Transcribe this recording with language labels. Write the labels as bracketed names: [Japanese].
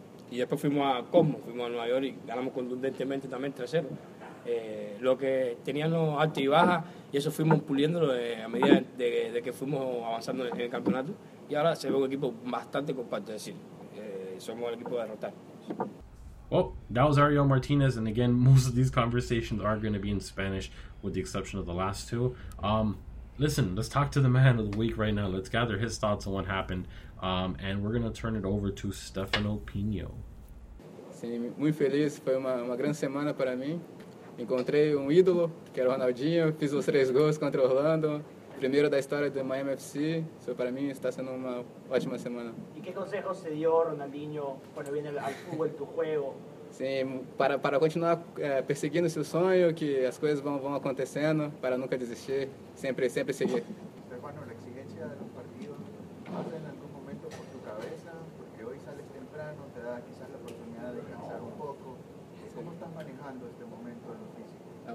[Spanish] Y después fuimos a Cosmo, fuimos a Nueva York y ganamos contundentemente también 3-0. Lo que teníamos altos y bajas, y eso fuimos puliéndolo a medida de que fuimos avanzando en el campeonato. Y ahora se ve un equipo bastante compacto, es decir, somos el equipo de derrotar. [English] Well, that was Ariel Martinez, and again, most of these conversations are going to be in Spanish, with the exception of the last two. Listen, let's talk to the man of the week right now. Let's gather his thoughts on what happened. And we're going to turn it over to Stefano Pino. [Spanish] Sí, muy feliz. Fue una gran semana para mí. Encontré un ídolo, que era Ronaldinho. Fiz los 3 goles contra Orlando. Primero da historia de Miami FC. Eso para mí está siendo una ótima semana. ¿Y qué consejos se dio Ronaldinho cuando viene al fútbol, tu juego? [Portuguese] Sí, para continuar perseguindo seu sonho, que as coisas vão acontecendo, para nunca desistir, sempre seguir. [Spanish] Stefano, la exigencia de los partidos, ¿pasa en algún momento por tu cabeza? Porque hoy sales temprano, te da quizás la oportunidad de descansar un poco. ¿Cómo estás manejando este momento en lo físico?